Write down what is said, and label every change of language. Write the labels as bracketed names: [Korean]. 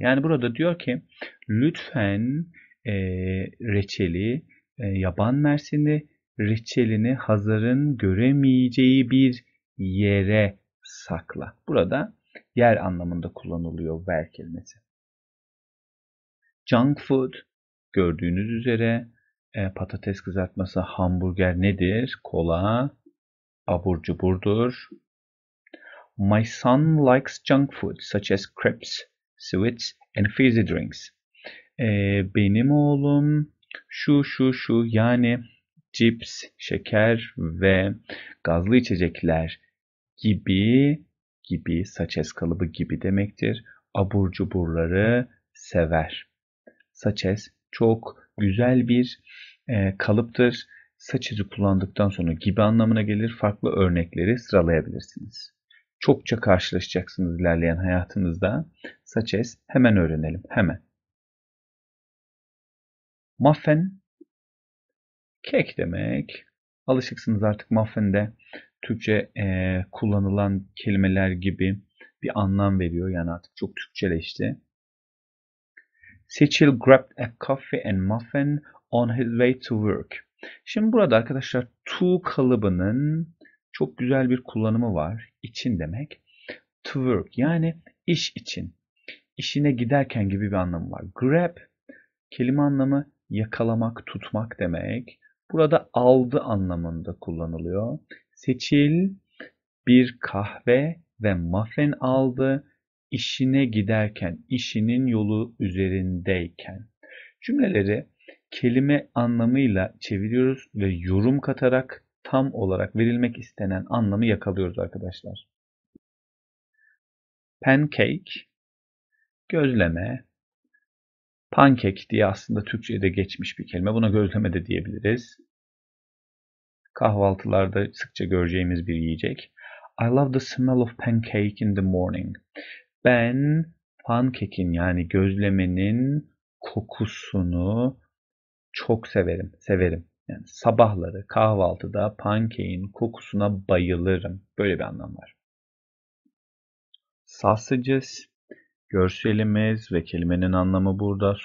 [Turkish] Yani burada diyor ki lütfen reçeli yaban mersini reçelini Hazar'ın göremeyeceği bir yere sakla. Burada yer anlamında kullanılıyor ver kelimesi. Junk food gördüğünüz üzere patates kızartması, hamburger nedir? Kola, abur cuburdur. [English] My son likes junk food such as crepes, sweets and fizzy drinks. [Turkish] Benim oğlum şu yani cips, şeker ve gazlı içecekler gibi such as kalıbı gibi demektir. Abur cuburları sever. Such as çok güzel bir kalıptır. Saç ezi kullandıktan sonra gibi anlamına gelir. Farklı örnekleri sıralayabilirsiniz. Çokça karşılaşacaksınız ilerleyen hayatınızda. Saç ez hemen öğrenelim. Hemen. Muffin, kek demek. Alışıksınız artık muffin'de Türkçe kullanılan kelimeler gibi bir anlam veriyor. Yani artık çok Türkçeleşti. [English] Cecil grabbed a coffee and muffin on his way to work. [Turkish] Şimdi burada arkadaşlar to kalıbının çok güzel bir kullanımı var. İçin demek. To work yani iş için. İşine giderken gibi bir anlamı var. Grab kelime anlamı yakalamak, tutmak demek. Burada aldı anlamında kullanılıyor. Seçil bir kahve ve muffin aldı. İşine giderken, işinin yolu üzerindeyken. Cümleleri kelime anlamıyla çeviriyoruz ve yorum katarak tam olarak verilmek istenen anlamı yakalıyoruz arkadaşlar. Pancake, gözleme. Pankek diye aslında Türkçe'ye de geçmiş bir kelime. Buna gözleme de diyebiliriz. Kahvaltılarda sıkça göreceğimiz bir yiyecek. [English] I love the smell of pancake in the morning. [Turkish] Ben pankekin yani gözlemenin kokusunu çok severim. Severim. Yani sabahları kahvaltıda pankekin kokusuna bayılırım. Böyle bir anlam var. Sausages. Görselimiz ve kelimenin anlamı burada.